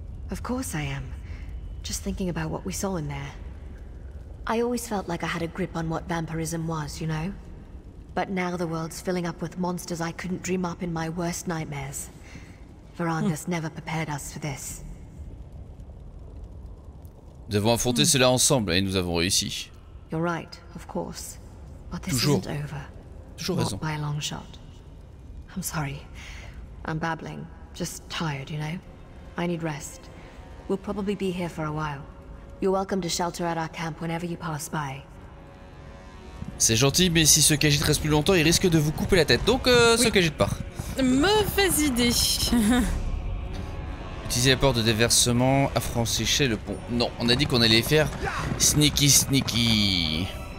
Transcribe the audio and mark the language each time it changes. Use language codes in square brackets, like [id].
[en] Of course I am. Just thinking about what we saw in there. I always felt like I had a grip on what vampirism was, you know? But now the world's filling up with monsters I couldn't dream up in my worst nightmares. Varandas never prepared us for this. [fr] Nous avons affronté cela ensemble et nous avons réussi. [en] You're right, of course. But this isn't over. [fr] Toujours raison. [en] Not by a long shot. I'm sorry. I'm babbling. Just tired, you know? I need rest. We'll probably be here for a while. You're welcome to shelter at our camp whenever you pass by. [fr] C'est gentil, mais si ce Khajiit reste plus longtemps, il risque de vous couper la tête. Donc, ce Khajiit part. Mauvaise idée. Utiliser la porte de déversement, affranchir le pont. Non, on a dit qu'on allait faire sneaky sneaky.